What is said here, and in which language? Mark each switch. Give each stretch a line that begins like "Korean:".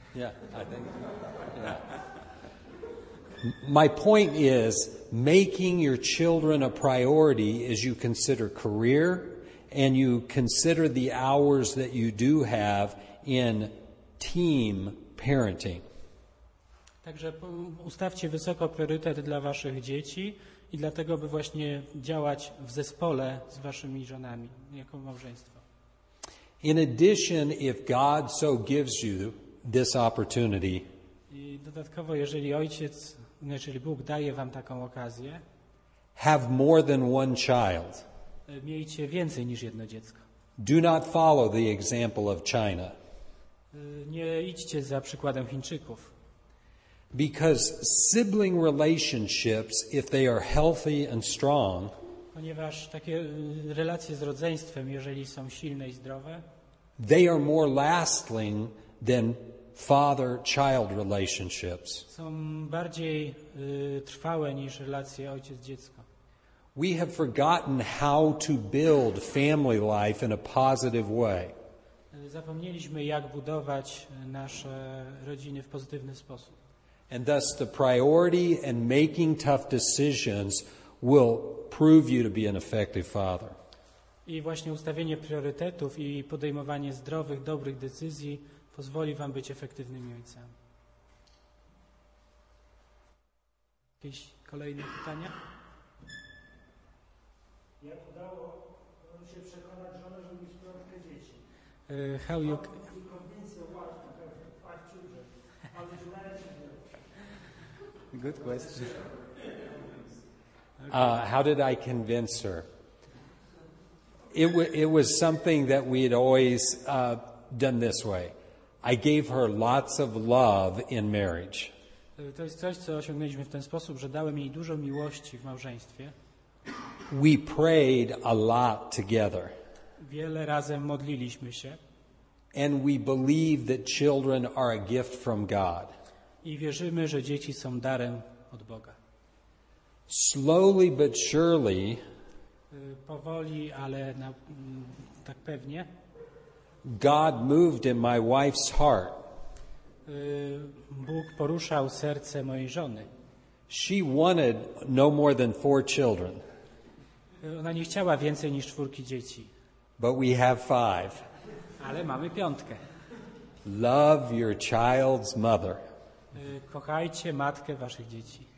English: Yeah, I think. Yeah. My point is, making your children a priority as you consider career and you consider the hours that you do have in team parenting.
Polish: Także ustawcie wysoko priorytet dla waszych dzieci i dlatego, by właśnie działać w zespole z waszymi żonami, jako małżeństwo.
English: In addition, if God so gives you this opportunity,
Polish: i dodatkowo, jeżeli ojciec, jeżeli Bóg daje wam taką okazję,
English: have more than one child.
Polish: Miejcie więcej niż jedno dziecko.
English: Do not follow the example of China.
Polish: Nie idźcie za przykładem Chińczyków.
English: Because sibling relationships, if they are healthy and strong,
Polish: ponieważ takie relacje z rodzeństwem, jeżeli są silne i zdrowe,
English: they are more lasting than father-child relationships.
Polish: Są bardziej trwałe niż relacje ojciec-dziecko.
English: We have forgotten how to build family life in a positive way.
Polish: Zapomnieliśmy, jak budować nasze rodziny w pozytywny sposób.
English: And thus the priority and making tough decisions will prove you to be an effective father.
Polish: I właśnie ustawienie priorytetów i podejmowanie zdrowych, dobrych decyzji pozwoli wam być efektywnymi ojcami. Jakieś kolejne pytania? Jak udało się przekonać żonę, żeby mieć 5 dzieci?
English: How you... Good question. How did I convince her? It was something that we had always done this way. I gave her lots of love in marriage.
Polish: To jest coś, co osiągnęliśmy w ten sposób, że dałem jej dużo miłości w małżeństwie.
English: We prayed a lot together.
Polish: Wiele razem modliliśmy się.
English: And we believe that children are a gift from God.
Polish: I wierzymy, że dzieci są darem od Boga.
English: Slowly but surely,
Polish: powoli, ale na, tak pewnie,
English: God moved in my wife's heart.
Polish: Bóg poruszał serce mojej żony.
English: She wanted no more than four children.
Polish: Ona nie chciała więcej niż czwórki dzieci.
English: But we have five.
Polish: Ale mamy piątkę.
English: Love your child's mother.
Polish: Kochajcie matkę waszych dzieci.